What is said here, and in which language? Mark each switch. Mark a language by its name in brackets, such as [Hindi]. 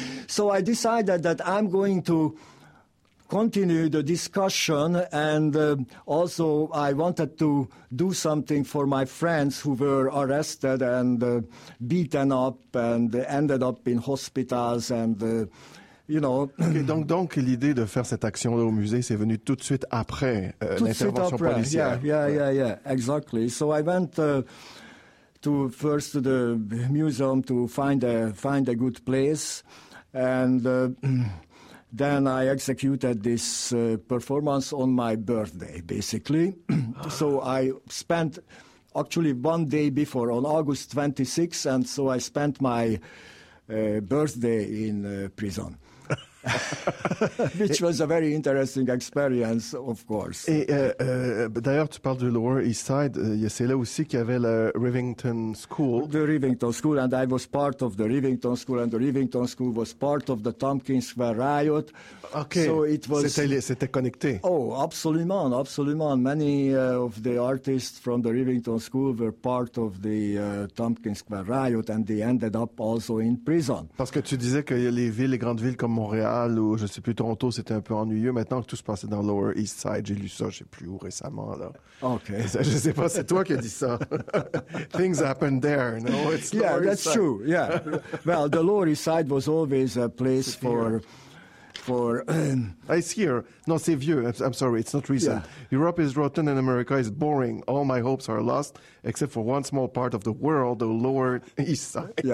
[English] So I decided that I'm going to continue the discussion, and also I wanted to do something for my friends who were arrested and beaten up and ended up in hospitals and... You know. [French] Okay, donc l'idée de faire cette action là au musée, c'est venu tout de suite après l'intervention suite après. Policière. [English] Yeah, exactly. So I went to the museum to find a good place, and then I executed this performance on my birthday, basically. So I spent actually one day before, on August 26th, and so I spent my birthday in prison. Which was a very interesting experience, of course. [French] Et d'ailleurs, tu parles du Lower East Side. C'est là aussi qu'il y avait la Rivington School. [English] The Rivington School, and I was part of the Rivington School, and the Rivington School was part of the Tompkins Square Riot. Okay. So it was. [French] C'était connecté. Oh, absolument. [English] Many of the artists from the Rivington School were part of the Tompkins Square Riot, and they ended up also in prison. [French] Parce que tu disais que les grandes villes comme Montréal. Ou je ne sais plus, Toronto, c'était un peu ennuyeux. Maintenant que tout se passait dans Lower East Side, j'ai lu ça, je ne sais plus où récemment. Là. OK. Je ne sais pas, c'est toi qui as dit ça. [English] Things happen there, no? It's Lower East Side. Yeah, that's true, yeah. Well, the Lower East Side was always a place for... It's here. [French] Non, c'est vieux. [English] I'm sorry, it's not recent. Yeah. Europe is rotten and America is boring. All my hopes are lost, except for one small part of the world, the Lower East Side.